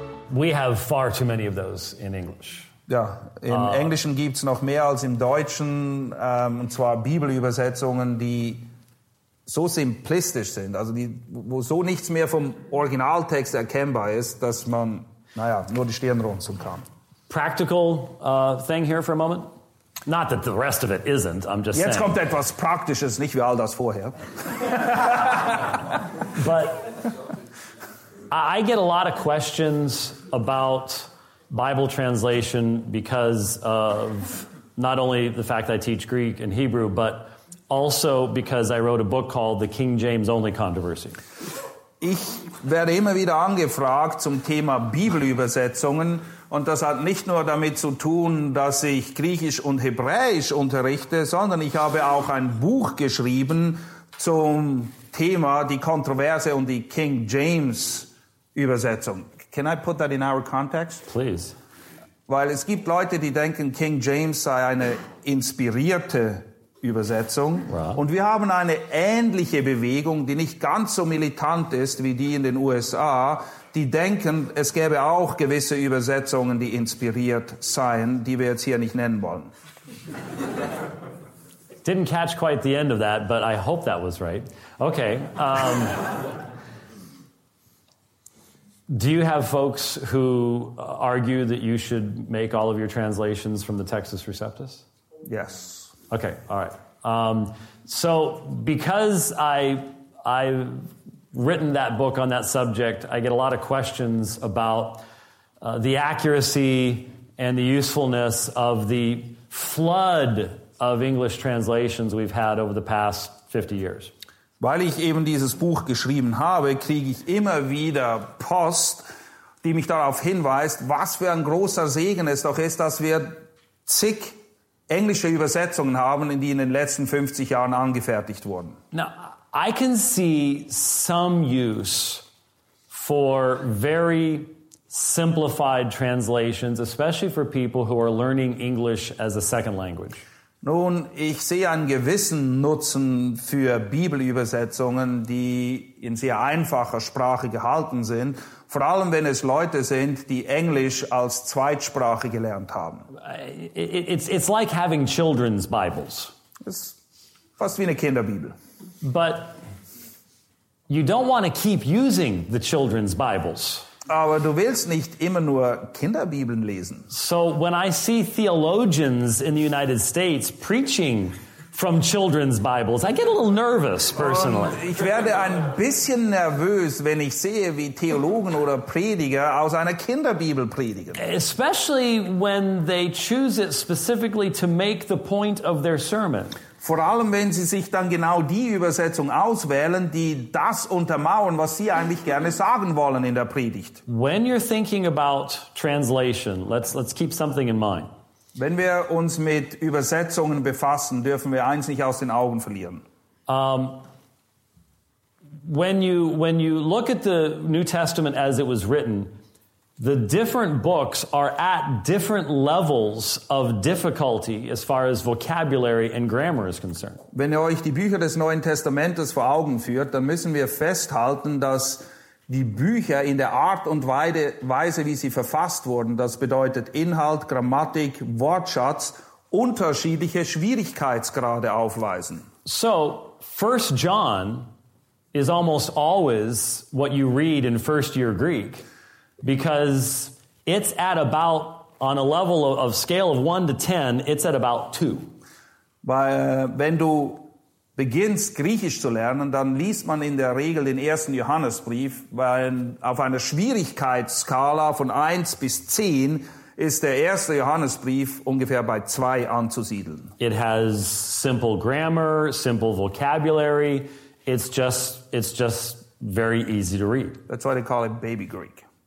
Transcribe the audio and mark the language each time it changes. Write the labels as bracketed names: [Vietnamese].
[English] We have far too many of those in English. [German] Ja, im Englischen gibt's noch mehr als im Deutschen, und zwar Bibelübersetzungen, die so simplistisch sind, also die, wo so nichts mehr vom Originaltext erkennbar ist, dass man, naja, nur die Stirn runzeln kann. [English] Practical thing here for a moment. Not that the rest of it isn't, I'm just [German] Jetzt [English] saying. [German] Jetzt kommt etwas Praktisches, nicht wie all das vorher. [English] But I get a lot of questions about Bible translation because of not only the fact that I teach Greek and Hebrew, but also because I wrote a book called The King James Only Controversy. [German] Ich werde immer wieder angefragt zum Thema Bibelübersetzungen, und das hat nicht nur damit zu tun, dass ich Griechisch und Hebräisch unterrichte, sondern ich habe auch ein Buch geschrieben zum Thema die Kontroverse und die King James Übersetzung. [English] Can I put that in our context? Please. [German] Weil es gibt Leute, die denken, King James sei eine inspirierte Übersetzung. [English] Right. [German] Und wir haben eine ähnliche Bewegung, die nicht ganz so militant ist wie die in den USA, die denken, es gäbe auch gewisse Übersetzungen, die inspiriert seien, die wir jetzt hier nicht nennen wollen. [English] Didn't catch quite the end of that, but I hope that was right. Okay. Do you have folks who argue that you should make all of your translations from the Textus Receptus? Yes. Okay, all right. So because I've written that book on that subject, I get a lot of questions about the accuracy and the usefulness of the flood of English translations we've had over the past 50 years. [German] Weil ich eben dieses Buch geschrieben habe, kriege ich immer wieder Post, die mich darauf hinweist, was für ein großer Segen es doch ist, dass wir zig englische Übersetzungen haben, die in den letzten 50 Jahren angefertigt wurden. [English] Now, I can see some use for very simplified translations, especially for people who are learning English as a second language. [German] Nun, ich sehe einen gewissen Nutzen für Bibelübersetzungen, die in sehr einfacher Sprache gehalten sind, vor allem wenn es Leute sind, die Englisch als Zweitsprache gelernt haben. [English] It's like having children's Bibles. [German] Es ist fast wie eine Kinderbibel. [English] But you don't want to keep using the children's Bibles. [German] Aber du willst nicht immer nur Kinderbibeln lesen. [English] So when I see theologians in the United States preaching from children's Bibles, I get a little nervous personally. [German] Und ich werde ein bisschen nervös, wenn ich sehe, wie Theologen oder Prediger aus einer Kinderbibel predigen. [English] Especially when they choose it specifically to make the point of their sermon. [German] Vor allem, wenn Sie sich dann genau die Übersetzung auswählen, die das untermauern, was Sie eigentlich gerne sagen wollen in der Predigt. [English] When you're thinking about translation, let's keep something in mind. [German] Wenn wir uns mit Übersetzungen befassen, dürfen wir eins nicht aus den Augen verlieren. [English] When you look at the New Testament as it was written, the different books are at different levels of difficulty as far as vocabulary and grammar is concerned. [German] Wenn ihr euch die Bücher des Neuen Testamentes vor Augen führt, dann müssen wir festhalten, dass die Bücher in der Art und Weise, wie sie verfasst wurden, das bedeutet Inhalt, Grammatik, Wortschatz, unterschiedliche Schwierigkeitsgrade aufweisen. [English] So, 1 John is almost always what you read in first year Greek. Because it's at about, on a level of scale of 1 to 10, it's at about 2. [German] Weil, wenn du beginnst, Griechisch zu lernen, dann liest man in der Regel den ersten Johannesbrief, weil auf einer Schwierigkeitsskala von 1 bis 10 ist der erste Johannesbrief ungefähr bei 2 anzusiedeln. [English] It has simple grammar, simple vocabulary. It's just very easy to read. That's why they call it baby Greek.